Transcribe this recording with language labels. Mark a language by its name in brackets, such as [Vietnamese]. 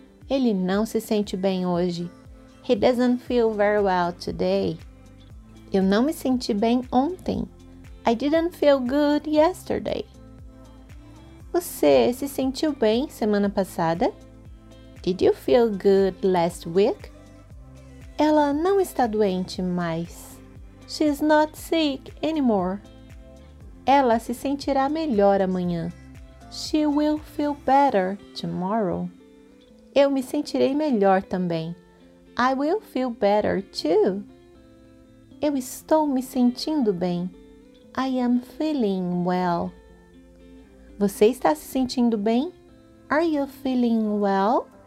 [Portuguese] Ele não se sente bem hoje, [English] he doesn't feel very well today. [Portuguese] Eu não me senti bem ontem, [English] I didn't feel good yesterday. [Portuguese] Você se sentiu bem semana passada? [English] Did you feel good last week? [Portuguese] Ela não está doente mais. [English] She's not sick anymore. [Portuguese] Ela se sentirá melhor amanhã. [English] She will feel better tomorrow. [Portuguese] Eu me sentirei melhor também. [English] I will feel better too. [Portuguese] Eu estou me sentindo bem. [English] I am feeling well. [Portuguese] Você está se sentindo bem? [English] Are you feeling well?